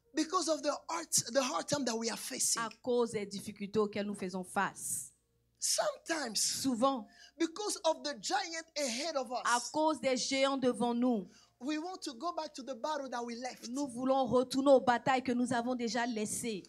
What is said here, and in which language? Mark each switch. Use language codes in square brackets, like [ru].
[en] Because of the hard time that we are facing. [fr] À cause des difficultés auxquelles nous faisons face. [en] Sometimes. [fr] Souvent. [en] Because of the giant ahead of us. [fr] À cause des géants devant nous. [en] We want to go back to the battle that we left. [fr] Nous voulons retourner aux batailles que nous avons déjà laissées.